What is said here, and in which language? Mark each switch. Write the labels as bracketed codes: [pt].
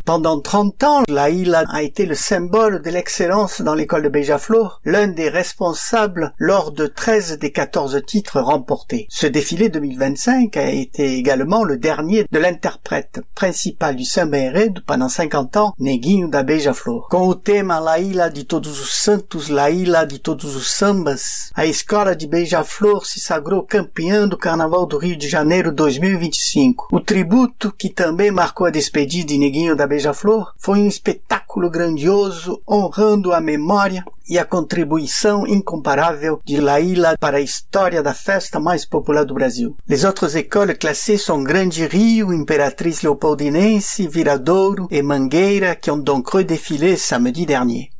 [fr] Pendant 30 ans, La Ilha a été le symbole de l'excellence dans l'école de Beija-Flor, l'un des responsables lors de 13 des 14 titres remportés. Ce défilé 2025 a été également le dernier de l'interprète principal du samba enredo pendant 50 ans, Neguinho da Beija-Flor. [pt] Com o tema La Ilha de Todos os Santos, La Ilha de Todos os Sambas, a escola de Beija-Flor se sagrou campeã do Carnaval do Rio de Janeiro 2025. O tributo, que também marcou a despedida de Neguinho da Beija-Flor, foi um espetáculo grandioso, honrando a memória e a contribuição incomparável de Laila para a história da festa mais popular do Brasil. [fr] Les autres écoles classées sont Grande Rio, Imperatriz Leopoldinense, Viradouro e Mangueira, que ont donc redéfilé samedi dernier.